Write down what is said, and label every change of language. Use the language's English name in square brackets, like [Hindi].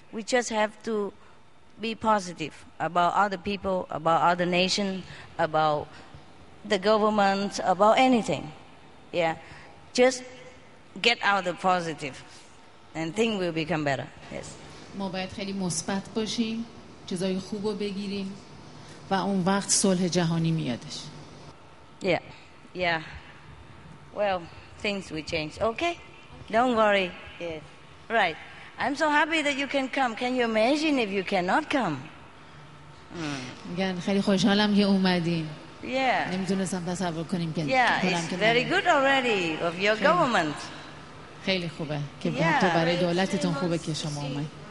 [English] We just have to be positive about other people, about other nation, about the government, about anything. Yeah. Just get out the positive and things will become better. Yes. [Persian] ما باید خیلی مثبت باشیم، چیزای خوبو بگیریم و اون وقت صلح جهانی میادش. [English] Yeah. Yeah. Well, things will change. Okay? Don't worry. Yes. Right. I'm so happy that you can come. Can you imagine if you cannot come? [Persian] میگن خیلی خوشحالم که اومدین. [English] Yeah. [Persian] نمیتونستم تصور کنیم که [English] Yeah, it's very good already of your government. [Persian] خیلی خوبه که تو برای دولتتون خوبه که شما اومدین.